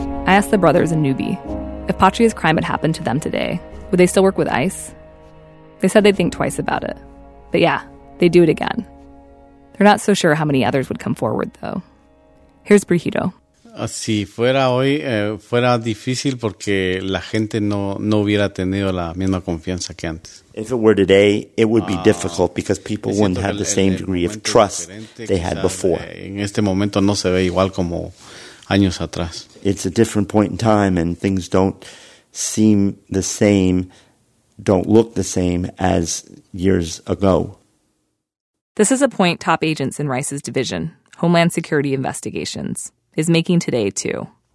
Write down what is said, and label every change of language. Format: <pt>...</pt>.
<en>I asked the brothers and Newbie, if Patria's crime had happened to them today, would they still work with ICE? They said they'd think twice about it. But yeah, they'd do it again. They're not so sure how many others would come forward, though. Here's Brigido.</en> <es>Si fuera hoy, fuera difícil porque la gente no hubiera tenido la misma confianza que antes.</es> <en>If it were today, it would be difficult because people wouldn't have the same degree of trust they had before.</en> <es>En este momento no se ve igual como años atrás.</es> <en>It's a different point in time and things don't seem the same, don't look the same as years ago. This is a point top agents in Rice's division, Homeland Security Investigations, is making today, too.</en>